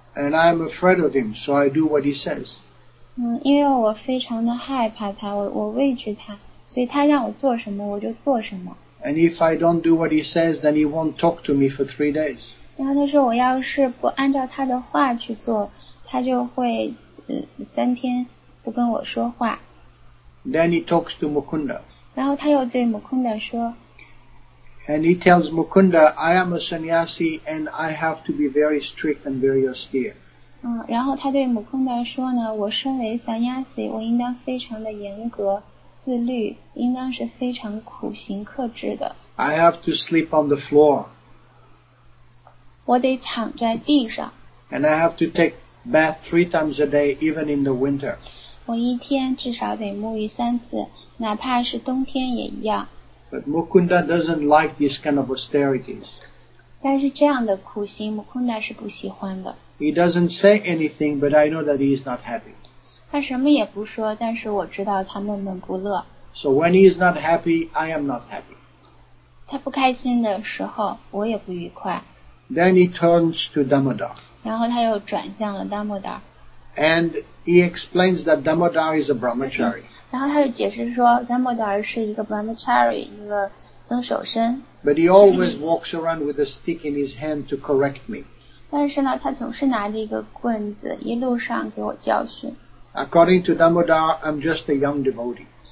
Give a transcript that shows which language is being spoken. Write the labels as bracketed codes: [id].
[en] And I'm afraid of him, so I do what he says. [zh] 因为我非常的害怕他，我畏惧他，所以他让我做什么，我就做什么。 [en] And if I don't do what he says, then he won't talk to me for 3 days. [zh] 然后他说我要是不按照他的话去做，他就会三天不跟我说话。 [en] Then he talks to Mukunda. [zh] 然后他又对Mukunda说， [en] And he tells Mukunda, I am a sannyasi and I have to be very strict and very austere. [zh] 然后他对 Mukunda 说呢, 我身为 sannyasi, 我应当非常的严格自律, 应当是非常苦行克制的。 [en] I have to sleep on the floor. [zh] 我得躺在地上。 [en] And I have to take bath 3 times a day, even in the winter. [zh] 我一天至少得沐浴3次, 哪怕是冬天也一样。 [en] But Mukunda doesn't like these kind of austerities. [zh] 但是这样的苦行, Mukunda 是不喜欢的。 [en] He doesn't say anything, but I know that he is not happy. [zh] 他什么也不说, 但是我知道他闷闷不乐。 [en] So when he is not happy, I am not happy. [zh] 他不开心的时候, 我也不愉快。 [en] Then he turns to Damodar. [zh] 然后他又转向了Damodar。 [en] And he explains that Damodar is a brahmachari. [zh] 然后他又解释说Damodar是一个brahmachari, 一个僧手身。 [en] But he always walks around with a stick in his hand to correct me. [zh] 但是呢,他总是拿着一个棍子,一路上给我教训。 [en] According to Damodar, I'm just a young devotee.